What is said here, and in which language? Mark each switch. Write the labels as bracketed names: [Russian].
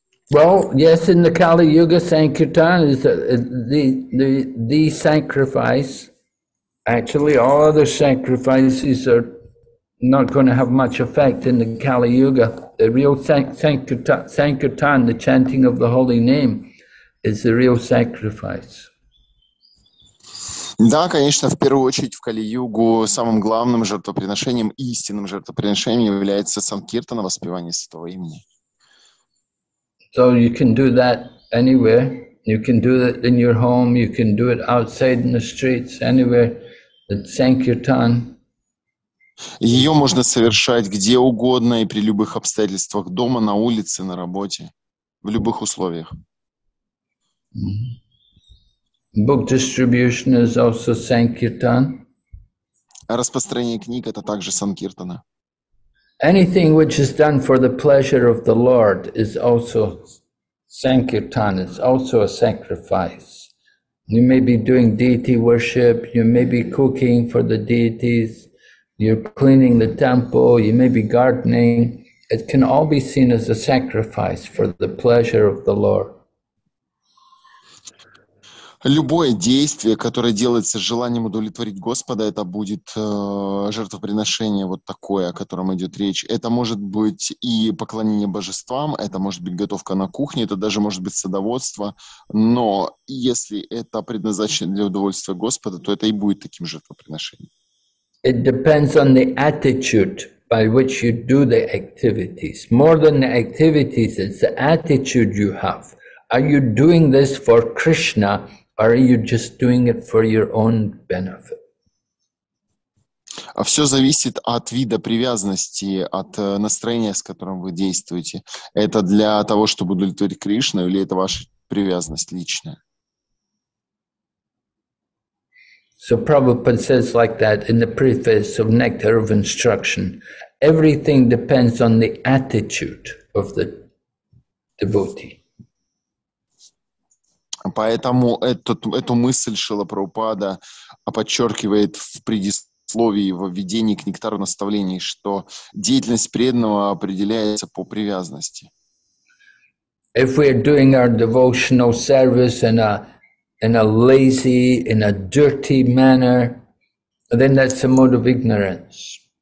[English] Well, yes, in the Kali Yuga, Sankirtana is the sacrifice. Actually, all other sacrifices are not going to have much effect in the Kali Yuga. The real Sankirtana, the chanting of the holy name, is the real sacrifice. [Russian] Да, конечно, в первую очередь в Кали-Югу самым главным жертвоприношением, истинным жертвоприношением является Санкиртана, воспевание святого имени. [English] So you can do that anywhere. You can do it in your home, you can do it outside in the streets, anywhere. Sankirtan. [Russian] Ее можно совершать где угодно и при любых обстоятельствах, дома, на улице, на работе, в любых условиях. [English] Mm-hmm. Book distribution is also sankirtan. [Russian] Распространение книг — это также санкиртана. [English] Anything which is done for the pleasure of the Lord is also sankirtan. It's also a sacrifice. You may be doing deity worship. You may be cooking for the deities. You're cleaning the temple. You may be gardening. It can all be seen as a sacrifice for the pleasure of the Lord. [Russian] Любое действие, которое делается с желанием удовлетворить Господа, это будет жертвоприношение вот такое, о котором идет речь. Это может быть и поклонение божествам, это может быть готовка на кухне, это даже может быть садоводство. Но если это предназначено для удовольствия Господа, то это и будет таким жертвоприношением. [English] It depends on the attitude by which you do the activities. More than the activities, it's the attitude you have. Are you doing this for Krishna? Are you just doing it for your own benefit? [Russian] Все зависит от вида привязанности, от настроения, с которым вы действуете. Это для того, чтобы удовлетворить Кришну, или это ваша привязанность личная? [English] So Prabhupada says like that in the preface of Nectar of Instruction. Everything depends on the attitude of the devotee. [Russian] Поэтому эту мысль Шрила Прабхупада подчеркивает в предисловии, во введении к нектару наставлений, что деятельность преданного определяется по привязанности. [English] If we are doing our devotional service in a lazy, in a dirty manner, then that's a mode of ignorance.